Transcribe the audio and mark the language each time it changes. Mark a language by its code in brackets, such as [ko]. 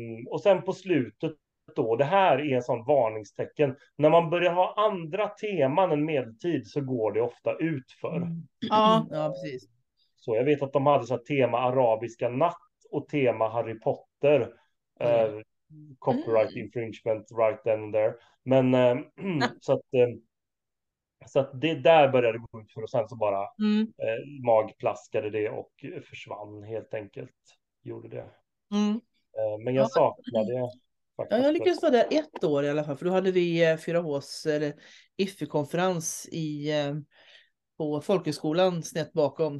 [sv] Och sen på slutet då, det här är en sån varningstecken. När man börjar ha andra teman än medeltid så går det ofta ut för. Ja, precis. Så jag vet att de hade så här tema arabiska natt och tema Harry Potter. [en] Copyright infringement right then and there. [sv] Men så att det där började gå ut för, och sen så bara magplaskade det och försvann helt enkelt. Gjorde det. Mm. Men jag saknade faktiskt. Ja, jag lyckades vara där 1 år i alla fall. För då hade vi 4Hs eller IFI-konferens i, på folkhögskolan snett bakom.